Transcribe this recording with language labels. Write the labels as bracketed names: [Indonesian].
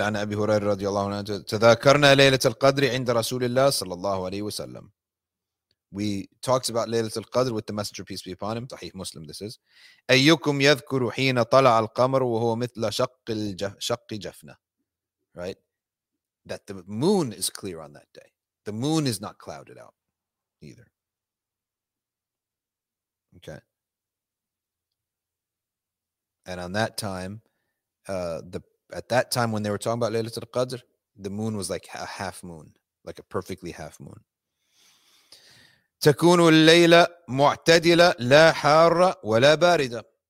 [Arabic] عن أبي هريرة رضي الله عنه تذكرنا ليلة القدر عند رسول الله صلى الله عليه وسلم. [English] We talked about Laylatul Qadr with the Messenger, peace be upon him. Sahih Muslim, this is. [Arabic] أَيُّكُمْ يَذْكُرُ حِينَ طَلَعَ الْقَمَرُ وَهُوَ مِثْلَ شَقِّ جَفْنَ. Right? [English] That the moon is clear on that day. The moon is not clouded out either. Okay. And on that time, at that time when they were talking about Laylatul Qadr, the moon was like a half moon, like a perfectly half moon. [Arabic] تكون الليلة معتدلة لا حارة ولا باردة.